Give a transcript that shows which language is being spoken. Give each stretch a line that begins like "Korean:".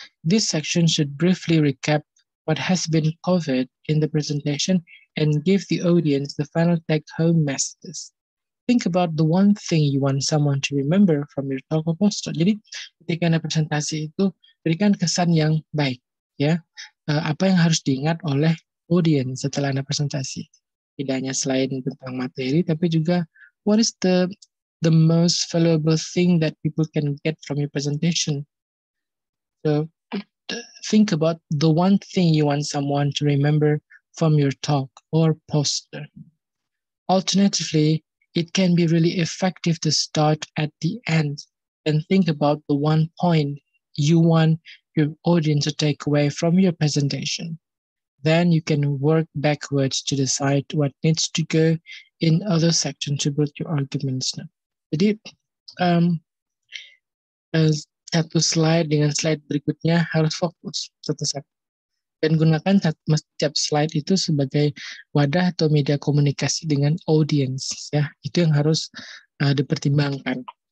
English: This section should briefly recap what has been covered in the presentation and give the audience the final take-home messages. Think about the one thing you want someone to remember from your talk or poster.
Indonesian: Jadi, ketika anda presentasi itu, berikan kesan yang baik. Yeah. Apa yang harus diingat oleh audience setelah anda presentasi? Tidak hanya selain tentang materi, tapi juga
English: what is the most valuable thing that people can get from your presentation. So think about the one thing you want someone to remember from your talk or poster. Alternatively, it can be really effective to start at the end and think about the one point you want your audience to take away from your presentation. Then you can work backwards to decide what needs to go in other sections to build your arguments.
Indonesian: Jadi, satu slide dengan slide berikutnya harus fokus satu-satu. Dan gunakan setiap slide itu sebagai wadah atau media komunikasi dengan audience. Ya. Itu yang harus dipertimbangkan.